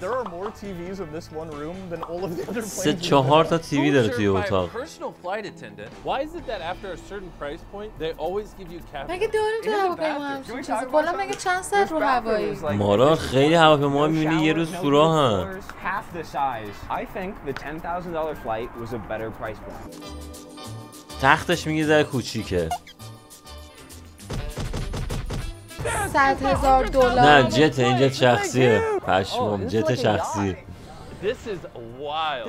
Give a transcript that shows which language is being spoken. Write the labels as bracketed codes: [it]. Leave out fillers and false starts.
[en] There are more TVs in this one room than all of the other planes. [fa] 3-4 تا TV داره توی اتاق. [en] Personal flight attendant. Why is it that after a certain price point they always give you cabin? [fa] مگه دور تو هواپیمایی؟ بالا مگه چند ساعت رو هوایی؟ مارا خیلی هواپیما میبینی یه روز سوراخن. [en] Half the size. I think the $10,000 flight was a better price point. [fa] تختش میگه زره کوچیکه. 100,000 دلار. نه جت اینجا شخصیه. پشمام جت شخصی. [en] This is wild.